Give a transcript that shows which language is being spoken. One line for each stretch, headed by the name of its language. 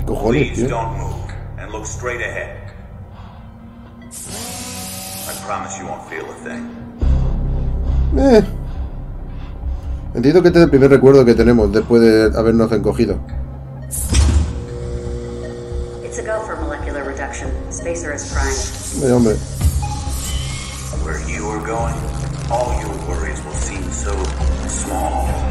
English: Please don't move and look straight ahead. I promise you won't feel a thing.
Spanish: Entiendo que este es el primer recuerdo que tenemos después de habernos encogido.
English: It's a go for molecular reduction. Spacer is prime. Hombre. Where you are going, all your worries will seem so small.